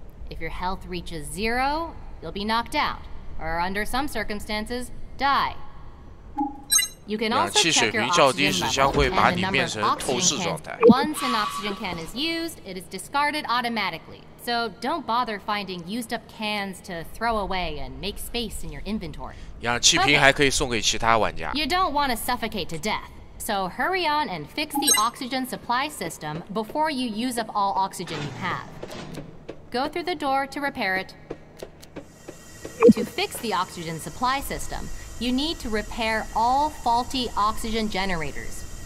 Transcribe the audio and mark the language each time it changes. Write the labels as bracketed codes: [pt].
[en] If your health reaches zero, you'll be knocked out, or under some circumstances, die. You can also check your oxygen level and the number of oxygen cans. Once an oxygen can is used, it is discarded automatically. So don't bother finding used up cans to throw away and make space in your inventory. [zh] 氧气瓶还可以送给其他玩家。 [en] You don't want to suffocate to death. So hurry on and fix the oxygen supply system before you use up all oxygen you have. Go through the door to repair it. To fix the oxygen supply system, you need to repair all faulty oxygen generators.